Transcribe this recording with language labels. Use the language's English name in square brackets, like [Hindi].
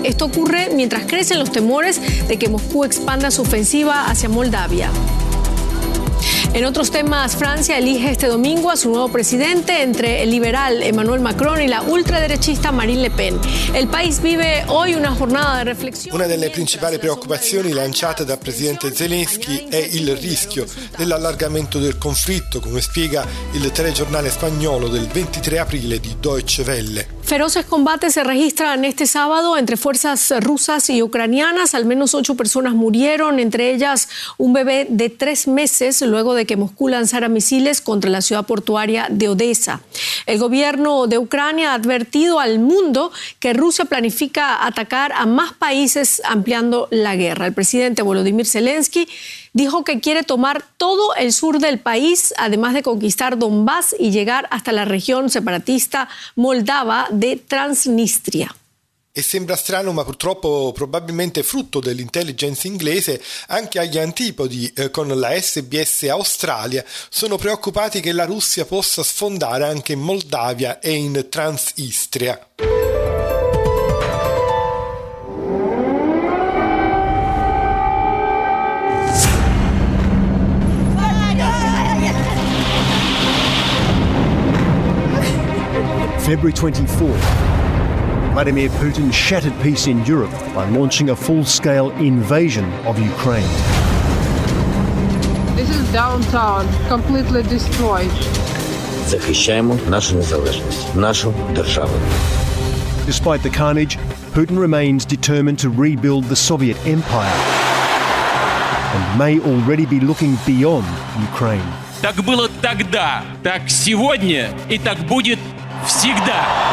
[Spanish] Esto ocurre mientras crecen los temores de que Moscú expanda su ofensiva hacia Moldavia. En otros temas, Francia elige este domingo a su nuevo presidente entre el liberal Emmanuel Macron y la ultraderechista Marine Le Pen. El país vive hoy una jornada de reflexión. [Italian] Una delle principali preoccupazioni lanciate dal presidente Zelensky è il rischio dell'allargamento del conflitto, come spiega il telegiornale spagnolo del 23 aprile di Deutsche Welle. [Spanish] Feroces combates se registran este sábado entre fuerzas rusas y ucranianas. Al menos 8 personas murieron, entre ellas un bebé de 3 meses, luego de que Moscú lanzara misiles contra la ciudad portuaria de Odessa. El gobierno de Ucrania ha advertido al mundo que Rusia planifica atacar a más países ampliando la guerra. El presidente Volodymyr Zelensky dijo que quiere tomar todo el sur del país, además de conquistar Donbass y llegar hasta la región separatista moldava de Transnistria. [Italian] E sembra strano, ma purtroppo probabilmente frutto dell'intelligence inglese, anche agli antipodi con la SBS Australia sono preoccupati che la Russia possa sfondare anche in Moldavia e in Transnistria. [English] February 24th. Vladimir Putin shattered peace in Europe by launching a full-scale invasion of Ukraine. This is downtown, completely destroyed. [Ukrainian] Захищаємо нашу незалежність, нашу державу. [English] Despite the carnage, Putin remains determined to rebuild the Soviet Empire and may already be looking beyond Ukraine. [Russian] Так було тогда, так сегодня и так будет всегда.